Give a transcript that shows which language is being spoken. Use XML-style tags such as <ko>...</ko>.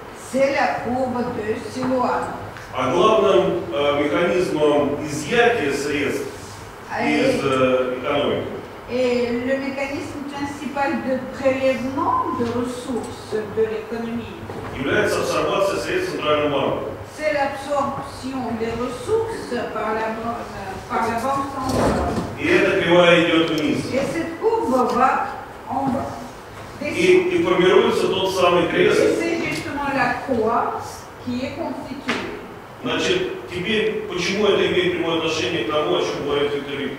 <fr>C'est la courbe de Силуан.</fr> <ru>А главным механизмом изъятия средств из экономики.</ru> <fr>И le mécanisme principal de prélèvement de ressources de l'économie.</fr> <ru>Является абсорбация средств центрального банка.</ru> <fr>C'est l'absorption des ressources par la banque centrale.</fr> <ru>И эта кривая идет вниз.</ru> <fr>Et cette courbe va en bas.</fr> <ru>И формируется тот самый крест.</ru> <fr>Et c'est justement la croix qui est constituée.</fr> <ru>Значит, теперь, почему это имеет прямое отношение к тому, о чем говорит Виктор</ru>